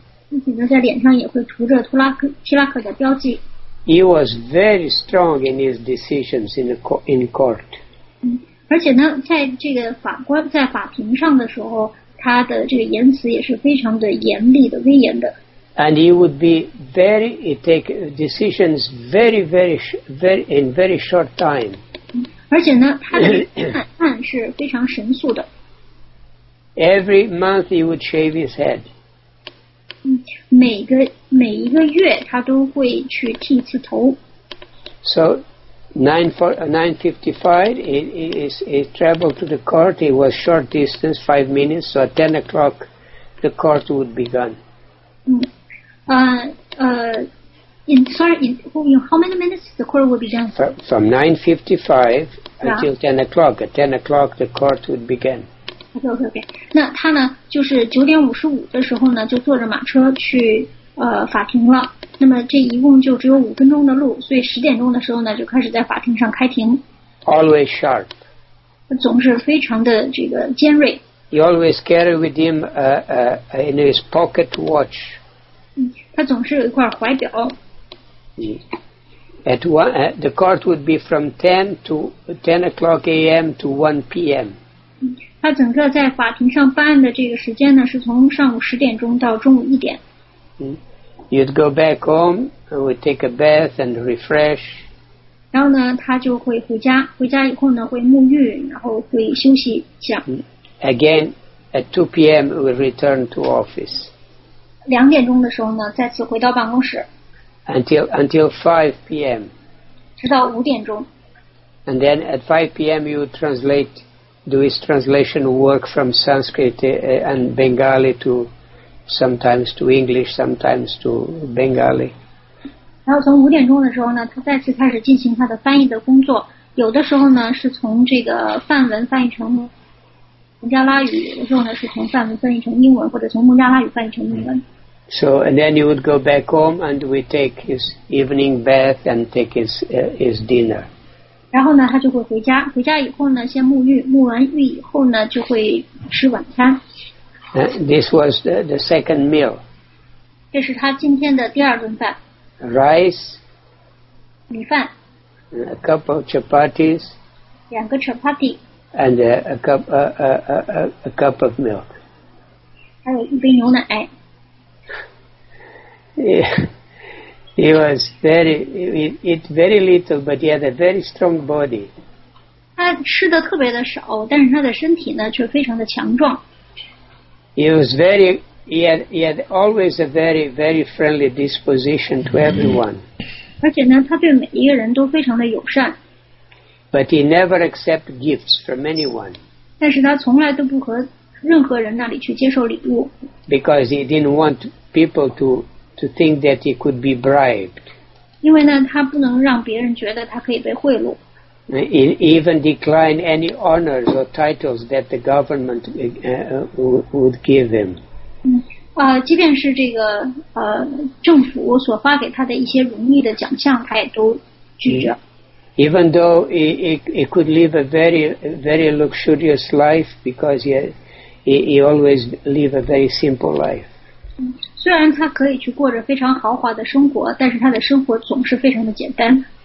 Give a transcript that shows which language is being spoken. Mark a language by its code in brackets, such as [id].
[zh] 自己呢，在脸上也会涂着提拉克的标记。 [en] He was very strong in his decisions in court. [zh] 而且呢，在这个在法庭上的时候，他的这个言辞也是非常的严厉的、威严的。 [en] And he would be he take decisions very, very, very in very short time. [zh] 而且呢，他的判是非常神速的。 [en] Every month he would shave his head. [zh] 每一个月他都会去剃一次头。 [en] So 9:55 he traveled to the court. It was short distance, 5 minutes. So at 10 o'clock, the court would begun. In how many minutes the court would begun? From 9:55 until 10 o'clock. At 10 o'clock, the court would begin. [zh] OK, 那他呢就是九点五十五的时候呢就坐着马车去法庭了，那么这一共就只有五分钟的路，所以十点钟的时候呢就开始在法庭上开庭。 [en] Always sharp. [zh] 总是非常的这个尖锐。 [en] He always carry with him in his pocket watch. [zh] 他总是有一块怀表。 [en] The court would be from 10 o'clock a.m. to 1 p.m. [zh] 他整个在法庭上办案的这个时间呢，是从上午十点钟到中午一点。 [en] You'd go back home, and would take a bath and refresh. [zh] 然后呢，他就会回家，回家以后呢，会沐浴，然后会休息一下。 [en] Again, at 2 p.m., we return to office. [zh] 两点钟的时候呢，再次回到办公室。 [en] Until 5 p.m. [zh] 直到五点钟。 [en] And then at 5 p.m., you translate, do his translation work from Sanskrit and Bengali to... sometimes to English, sometimes to Bengali. [zh] 然后从五点钟的时候呢，他再次开始进行他的翻译的工作。有的时候呢，是从这个梵文翻译成孟加拉语；有的时候呢，是从梵文翻译成英文，或者从孟加拉语翻译成英文。 [en] So, and then he would go back home, and we take his evening bath and take his dinner. [zh] 然后呢，他就会回家。回家以后呢，先沐浴，沐完浴以后呢，就会吃晚餐。 [en] This was the second meal. [zh] 这是他今天的第二顿饭。 [en] Rice. [zh] 米饭。 [en] A couple of chapatis. [zh] 两个 chapati. [en] And a cup of milk. [zh] 还有一杯牛奶。 [en] Yeah. He was very little, but he had a very strong body. [zh] 他吃的特别的少，但是他的身体呢却非常的强壮。 [en] He had always a very, very friendly disposition to everyone. [zh] 而且呢，他对每一个人都非常的友善。 [en] But he never accepted gifts from anyone. [zh] 但是他从来都不和任何人那里去接受礼物。 [en] Because he didn't want people to think that he could be bribed. [zh] 因为呢，他不能让别人觉得他可以被贿赂。 [en] He even declined any honors or titles that the government would give him. [zh] 即便是这个政府所发给他的一些荣誉的奖项，他也都拒绝。 [en] Even though he could live a very, very luxurious life because he always lived a very simple life. [zh] 虽然他可以去过着非常豪华的生活，但是他的生活总是非常的简单。